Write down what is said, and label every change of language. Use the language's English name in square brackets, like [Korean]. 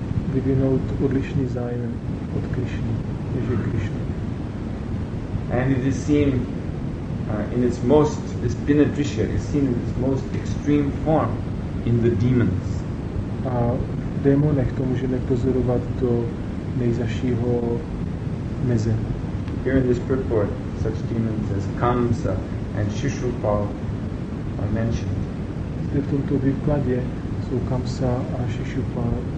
[Czech] Vyvinout odlišný zájem od Krišny, Ježí Krišny. [English] And it is seen in its most, this Binadrisha is seen in its most extreme form in the demons. [Czech] A v démonech to můžeme pozorovat do nejzašího meze. [English] Here in this purport, such demons as Kamsa and Shishupal are mentioned. [Czech] Zde v tomto výkladě jsou Kamsa a Shishupal.